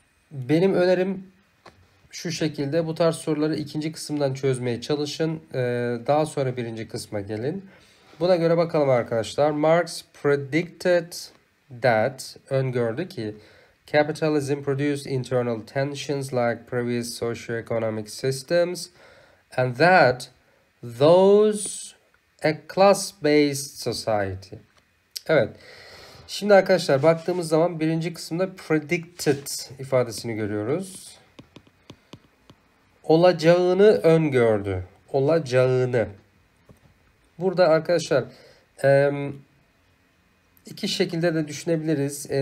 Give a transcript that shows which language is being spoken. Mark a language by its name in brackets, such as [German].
[Turkish] Benim önerim şu şekilde: bu tarz soruları ikinci kısımdan çözmeye çalışın. Daha sonra birinci kısma gelin. Buna göre bakalım arkadaşlar. [English] Marx predicted that, [Turkish] öngördü ki, [English] capitalism produced internal tensions like previous socio-economic systems and that those a class-based society. [Turkish] Evet. Şimdi arkadaşlar baktığımız zaman birinci kısımda predicted ifadesini görüyoruz. Olacağını öngördü. Olacağını. Burada arkadaşlar iki şekilde de düşünebiliriz.